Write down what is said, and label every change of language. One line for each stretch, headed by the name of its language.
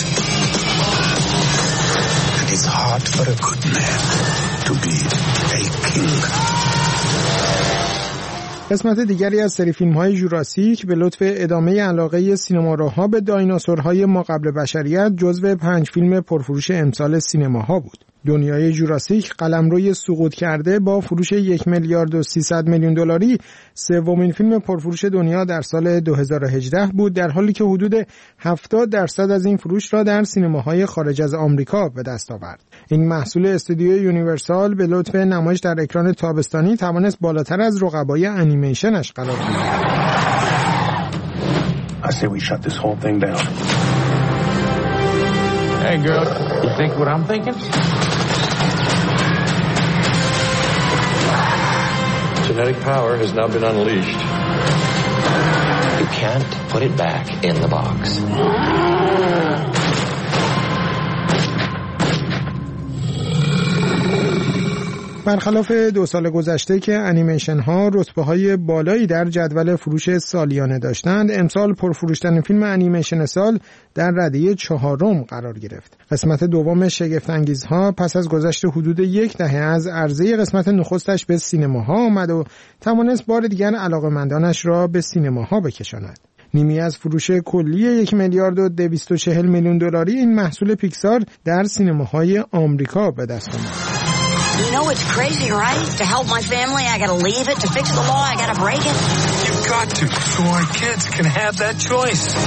English: And it's hard for a good man to be a king.
Persian: قسمت دیگری از سری فیلم‌های جوراسیک به لطف ادامه علاقه سینماروها به دایناسورهای ماقبل بشریت جزو 5 فیلم پرفروش امسال سینماها بود. دنیای جوراسیک قلمروی سقوط کرده با فروش 1,300,000,000 دلاری سومین فیلم پرفروش دنیا در سال 2018 بود، در حالی که حدود 70% از این فروش را در سینماهای خارج از آمریکا به دست آورد. این محصول استودیوی یونیورسال به لطف نمایش در اکران تابستانی توانست بالاتر از رقبای انیمیشنش قرار بگیرد.
English: I say we shut this whole thing down. Hey girl, you think what I'm thinking? Genetic power has now been unleashed. You can't put it back in the box.
Persian: برخلاف دو سال گذشته که انیمیشن ها رتبه های بالایی در جدول فروش سالیانه داشتند، امسال پرفروشترین فیلم انیمیشن سال در رده 4 قرار گرفت. قسمت دوم شگفت انگیز ها پس از گذشت حدود 1 دهه از عرضه قسمت نخستش به سینماها آمد و توانست بار دیگر علاقه‌مندانش را به سینماها بکشاند. نیمی از فروش کلی 1,240,000,000 دلاری این محصول پیکسار در سینماهای آمریکا به دست آمد.
English: You know it's crazy, right? To help my family, I gotta leave it. To fix the law, I gotta break it. You've got to, so our kids can have that choice.